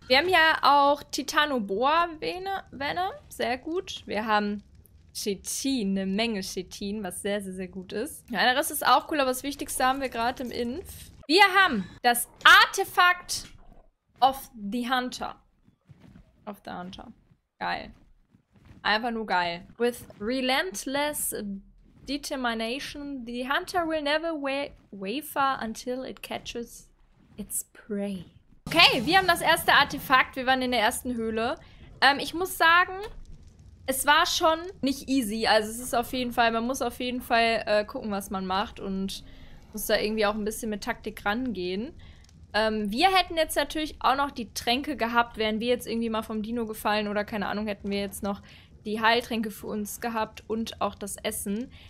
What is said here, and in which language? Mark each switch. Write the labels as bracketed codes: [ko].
[de] Wir haben hier auch Titanoboa-Venne. Sehr gut. Wir haben Chitin, eine Menge Chitin, was sehr, sehr, sehr gut ist. Ja, der Rest ist auch cool, aber das Wichtigste haben wir gerade im Inf. Wir haben das Artefakt of the Hunter. Of the Hunter. Geil. Einfach nur geil. [en] With relentless determination, the Hunter will never waver until it catches its prey. [de] Okay, wir haben das erste Artefakt. Wir waren in der ersten Höhle. Ich muss sagen, es war schon nicht easy, also es ist auf jeden Fall, man muss auf jeden Fall gucken, was man macht und muss da irgendwie auch ein bisschen mit Taktik rangehen. Wir hätten jetzt natürlich auch noch die Tränke gehabt, wären wir jetzt irgendwie mal vom Dino gefallen oder keine Ahnung, hätten wir jetzt noch die Heiltränke für uns gehabt und auch das Essen.